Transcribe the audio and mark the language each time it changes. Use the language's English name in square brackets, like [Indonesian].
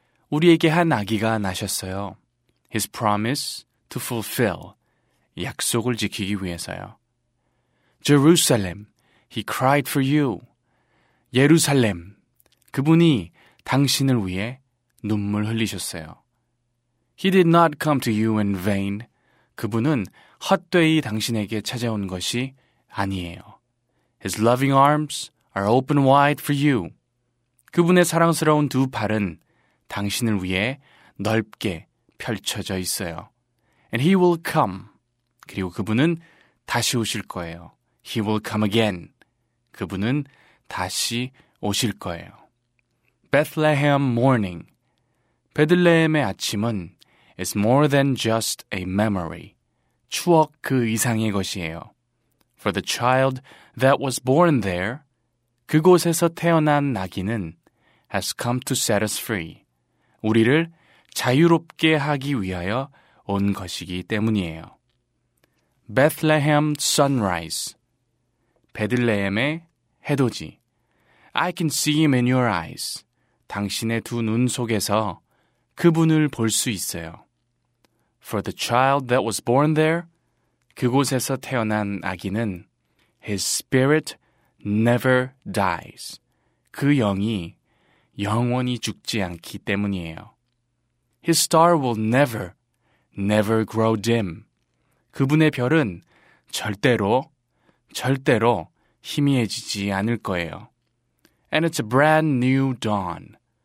[Korean] 우리에게 한 아기가 나셨어요. [English] His promise to fulfill. [Korean] 약속을 지키기 위해서요. [English] Jerusalem, he cried for you. [Korean] 예루살렘, 그분이 당신을 위해 눈물 흘리셨어요. [English] He did not come to you in vain. [Korean] 그분은 헛되이 당신에게 찾아온 것이 아니에요. [English] His loving arms are open wide for you. [Korean] 그분의 사랑스러운 두 팔은 당신을 위해 넓게 펼쳐져 있어요. [English] And he will come. [Korean] 그리고 그분은 다시 오실 거예요. [English] He will come again. [Korean] 그분은 다시 오실 거예요. [English] Bethlehem morning. [Korean] 베들레헴의 아침은 [English] is more than just a memory. [Korean] 추억 그 이상의 것이에요. [English] For the child that was born there, [Korean] 그곳에서 태어난 아기는 [English] has come to set us free. [Korean] 우리를 자유롭게 하기 위하여 온 것이기 때문이에요. [English] Bethlehem sunrise. [Korean] 베들레헴의 해돋이. [English] I can see him in your eyes. [Korean] 당신의 두 눈 속에서 그분을 볼 수 있어요. [English] For the child that was born there, [Korean] 그곳에서 태어난 아기는 [English] his spirit never dies. [Korean] 그 영이 영원히 죽지 않기 때문이에요. [English] His star will never, never grow dim. [Korean] 그분의 별은 절대로, 절대로 희미해지지 않을 거예요. [English] And it's a brand new dawn.